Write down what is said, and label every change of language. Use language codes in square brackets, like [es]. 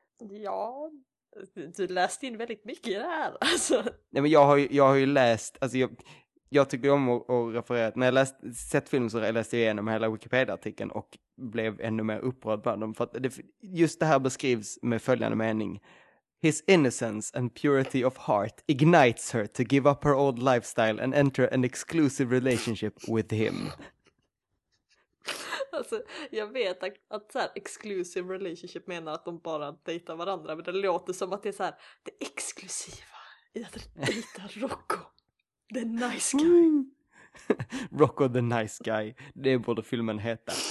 [sv] Ja, du läste in väldigt mycket i det här. Alltså. Nej, men jag har ju läst, alltså jag tycker om att referera. När jag sett filmen så läste jag igenom hela Wikipedia-artikeln och blev ännu mer upprörd bland dem. För att just det här beskrivs med följande mening. [en] His innocence and purity of heart ignites her to give up her old lifestyle and enter an exclusive relationship with him. [sv] Alltså, jag vet att så här, [en] exclusive relationship [sv] menar att de bara dejtar varandra, men det låter som att det är så här, det exklusiva i att dejta Rocco, [en] the nice guy. [sv] Rocco, [en] the nice guy, [sv] det borde filmen heta.